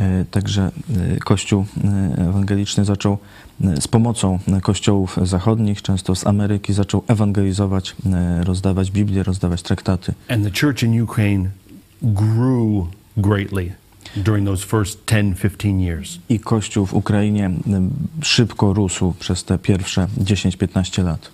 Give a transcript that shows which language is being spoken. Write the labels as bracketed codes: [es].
[pl] Także Kościół Ewangeliczny zaczął z pomocą kościołów zachodnich, często z Ameryki, zaczął ewangelizować, rozdawać Biblię, rozdawać traktaty. [en] And the church in Ukraine grew greatly during those first 10-15 years. [pl] I Kościół w Ukrainie szybko rósł przez te pierwsze 10-15 lat.